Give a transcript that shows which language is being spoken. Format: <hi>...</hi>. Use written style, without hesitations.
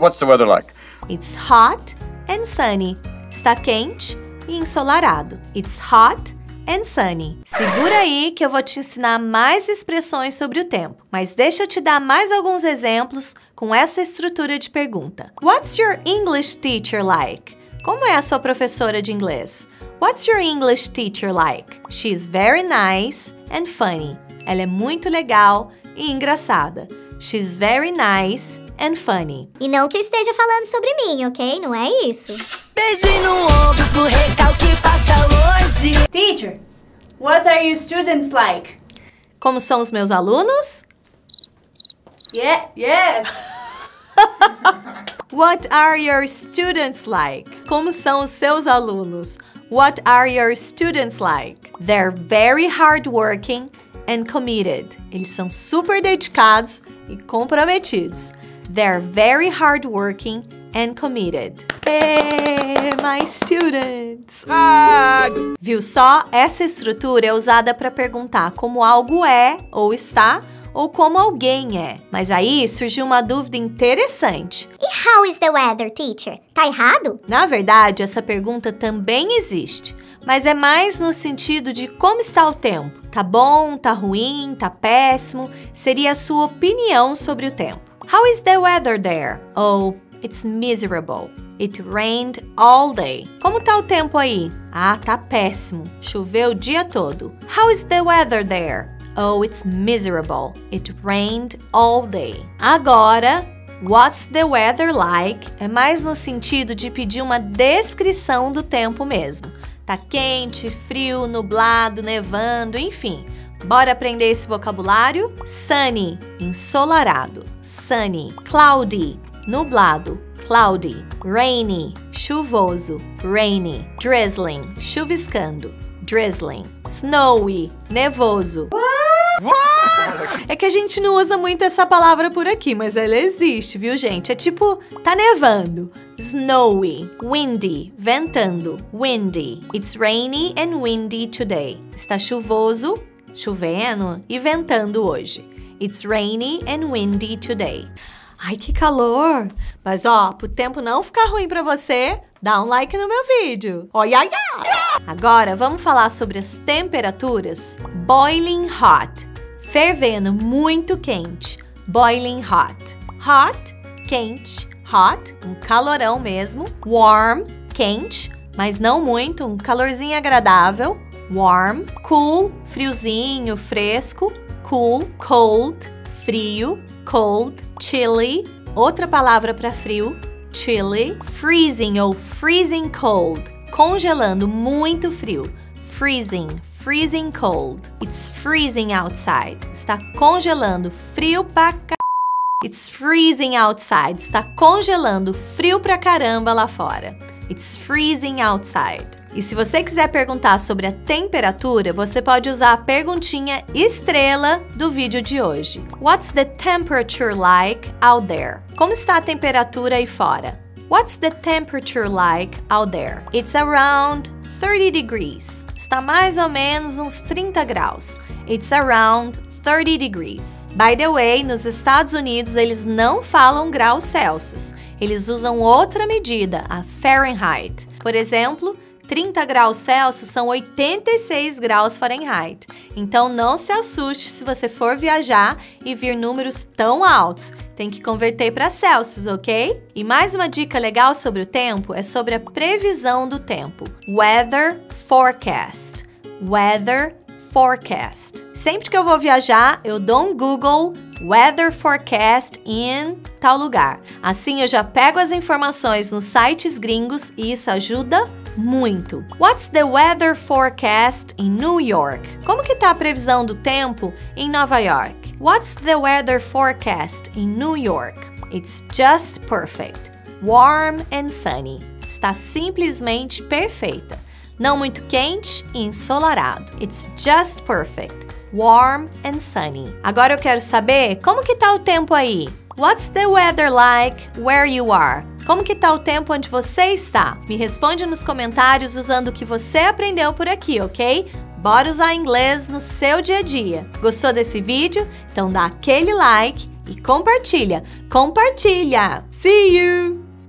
<en>What's the weather like? It's hot and sunny.</en> <pt>Está quente e ensolarado.</pt> <en>It's hot and sunny.</en> <pt>Segura aí que eu vou te ensinar mais expressões sobre o tempo. Mas deixa eu te dar mais alguns exemplos com essa estrutura de pergunta.</pt> <en>What's your English teacher like?</en> <pt>Como é a sua professora de inglês?</pt> <en>What's your English teacher like? She's very nice and funny.</en> <pt>Ela é muito legal e engraçada.</pt> <en>She's very nice and funny.</en> <pt>E não que esteja falando sobre mim, ok? Não é isso. Beijo no ombro pro recalque passa longe.</pt> <en>Teacher, what are your students like?</en> <pt>Como são os meus alunos?</pt> <en>Yes. What are your students like?</en> <pt>Como são os seus alunos?</pt> <en>What are your students like? They're very hardworking and committed.</en> <pt>Eles são super dedicados e comprometidos.</pt> <en>They're very hardworking and committed. Hey, my students! Ah.</en> <pt>Viu só? Essa estrutura é usada para perguntar como algo é ou está ou como alguém é. Mas aí surgiu uma dúvida interessante.</pt> <en>E how is the weather, teacher?</en> <pt>Tá errado? Na verdade, essa pergunta também existe. Mas é mais no sentido de como está o tempo. Tá bom, tá ruim, tá péssimo. Seria a sua opinião sobre o tempo.</pt> <en>How is the weather there? Oh, it's miserable. It rained all day.</en> <pt>Como tá o tempo aí? Ah, tá péssimo. Choveu o dia todo.</pt> <en>How is the weather there? Oh, it's miserable. It rained all day.</en> <pt>Agora,</pt> <en>what's the weather like?</en> <pt>É mais no sentido de pedir uma descrição do tempo mesmo. Tá quente, frio, nublado, nevando, enfim. Bora aprender esse vocabulário? Sunny, ensolarado. Sunny.</pt> <en>Cloudy, nublado. Cloudy. Rainy, chuvoso. Rainy. Drizzling, chuviscando. Drizzling. Snowy, nevoso. What?</en> <pt>É que a gente não usa muito essa palavra por aqui, mas ela existe, viu, gente? É tipo, tá nevando. Snowy. Windy. Ventando. Windy.</pt> <en>It's rainy and windy today.</en> <pt>Está chuvoso, chovendo e ventando hoje.</pt> <en>It's rainy and windy today.</en> <pt>Ai, que calor! Mas ó, pro tempo não ficar ruim pra você, dá um like no meu vídeo.</pt> <en>Oh, yeah, yeah.</en> <pt>Agora, vamos falar sobre as temperaturas?</pt> <en>Boiling hot.</en> <pt>Fervendo, muito quente.</pt> <en>Boiling hot. Hot, quente. Hot,</en> <pt>um calorão mesmo. Warm, quente, mas não muito, um calorzinho agradável.</pt> <en>Warm. Cool, friozinho, fresco. Cool. Cold, frio. Cold.</en> <pt>Chilly, outra palavra para frio. Chilly. Freezing ou freezing cold, congelando, muito frio.</pt> <en>Freezing, freezing cold. It's freezing outside.</en> <pt>Está congelando, frio pra caramba.</pt> <en>It's freezing outside.</en> <pt>Está congelando, frio pra caramba lá fora.</pt> <en>It's freezing outside.</en> <pt>E se você quiser perguntar sobre a temperatura, você pode usar a perguntinha estrela do vídeo de hoje.</pt> <en>What's the temperature like out there?</en> <pt>Como está a temperatura aí fora?</pt> <en>What's the temperature like out there? It's around 30 degrees.</en> <pt>Está mais ou menos uns 30 graus.</pt> <en>It's around 30 degrees. By the way,</en> <pt>nos Estados Unidos eles não falam graus Celsius. Eles usam outra medida, a Fahrenheit. Por exemplo, 30 graus Celsius são 86 graus Fahrenheit. Então não se assuste se você for viajar e vir números tão altos. Tem que converter para Celsius, ok? E mais uma dica legal sobre o tempo é sobre a previsão do tempo.</pt> <en>Weather forecast. Weather forecast.</en> <pt>Sempre que eu vou viajar, eu dou um Google</pt> <en>weather forecast in</en> <pt>tal lugar. Assim eu já pego as informações nos sites gringos e isso ajuda muito.</pt> <en>What's the weather forecast in New York?</en> <pt>Como que tá a previsão do tempo em Nova York?</pt> <en>What's the weather forecast in New York? It's just perfect. Warm and sunny.</en> <pt>Está simplesmente perfeita. Não muito quente e ensolarado.</pt> <en>It's just perfect. Warm and sunny.</en> <pt>Agora eu quero saber como que tá o tempo aí.</pt> <en>What's the weather like where you are?</en> <pt>Como que tá o tempo onde você está? Me responde nos comentários usando o que você aprendeu por aqui, ok? Bora usar inglês no seu dia a dia. Gostou desse vídeo? Então dá aquele like e compartilha. Compartilha!</pt> <en>See you!</en>